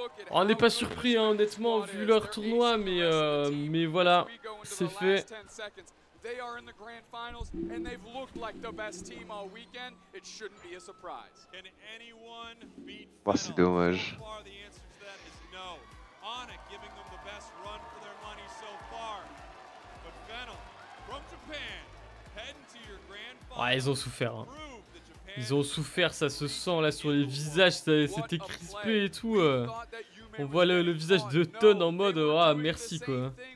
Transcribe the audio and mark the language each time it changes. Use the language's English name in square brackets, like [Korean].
[French] On n'est pas surpris, hein, honnêtement, vu leur tournoi. Mais voilà, c'est fait. [English] They are in the grand finals and they've looked like the best team all weekend. It shouldn't be a surprise. Can anyone beat Fennel? [French] Oh, c'est dommage. [English] So far, the answer to that is no. Onik giving them the best run for their money so far. But Fennel from Japan heading to your grand finals. [French] Ah, ils ont souffert. Hein. Ils ont souffert, ça se sent là sur les visages, ça, c'était crispé et tout. On voit le visage de Ton en mode ah oh, merci quoi.